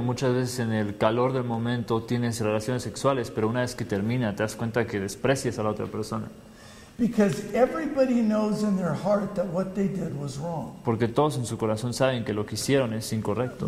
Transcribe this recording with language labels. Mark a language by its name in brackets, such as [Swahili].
[Spanish] Muchas veces en el calor del momento tienes relaciones sexuales, pero una vez que termina te das cuenta que desprecias a la otra persona. [English] Because everybody knows in their heart that what they did was wrong. [Spanish] Porque todos en su corazón saben que lo que hicieron es incorrecto.